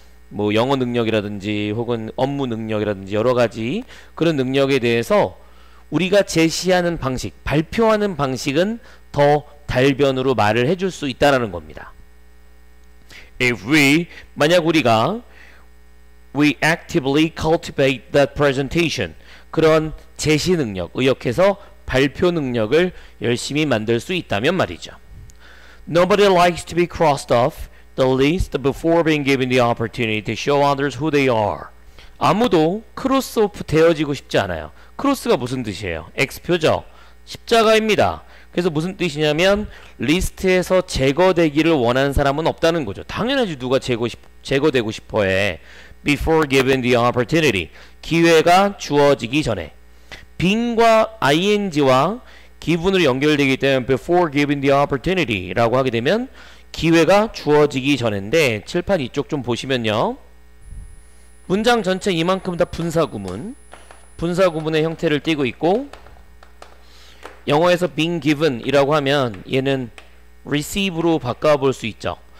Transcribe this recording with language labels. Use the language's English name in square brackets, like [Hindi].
[Korean] 뭐 영어 능력이라든지 혹은 업무 능력이라든지 여러 가지 그런 능력에 대해서 우리가 제시하는 방식, 발표하는 방식은 더 달변으로 말을 해줄 수 있다라는 겁니다. [English] If we [Korean] 만약 우리가 [English] we actively cultivate that presentation [Korean] 그런 제시 능력, 의역해서 발표 능력을 열심히 만들 수 있다면 말이죠. [English] Nobody likes to be crossed off the list before being given the opportunity to show others who they are. [Korean] 아무도 크로스 오프 되어지고 싶지 않아요. 크로스가 무슨 뜻이에요? X표죠? 십자가입니다. 그래서 무슨 뜻이냐면 리스트에서 제거되기를 원하는 사람은 없다는 거죠. 당연하지, 누가 제거되고 싶어해. [English] Before given the opportunity, [Korean] 기회가 주어지기 전에. 빙과 ing와 기분으로 연결되기 때문에 [English] before given the opportunity [Korean] 라고 하게 되면 기회가 주어지기 전인데, 칠판 이쪽 좀 보시면요, 문장 전체 이만큼 다 분사구문, 분사구문의 형태를 띠고 있고, 영어에서 [English] being given [Korean] 이라고 하면 얘는 receive로 바꿔볼 수 있죠.